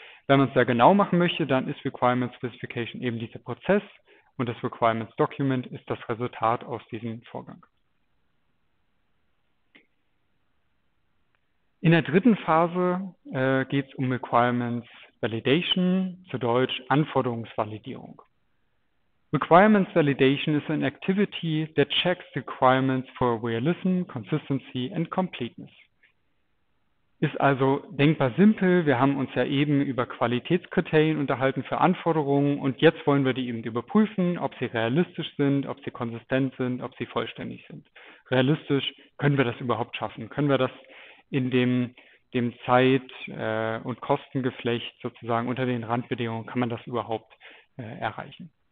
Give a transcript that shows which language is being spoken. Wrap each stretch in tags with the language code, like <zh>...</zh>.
<de>Wenn man es sehr genau machen möchte, dann ist Requirement Specification eben dieser Prozess und das Requirements-Document ist das Resultat aus diesem Vorgang. In der dritten Phase geht es um Requirements Validation, zu Deutsch Anforderungsvalidierung.</de> <en>Requirements Validation is an activity that checks requirements for realism, consistency and completeness.</en> <de>Ist also denkbar simpel. Wir haben uns ja eben über Qualitätskriterien unterhalten für Anforderungen und jetzt wollen wir die eben überprüfen, ob sie realistisch sind, ob sie konsistent sind, ob sie vollständig sind. Realistisch, können wir das überhaupt schaffen? Können wir das in dem Zeit- und Kostengeflecht sozusagen unter den Randbedingungen, kann man das überhaupt erreichen?</de>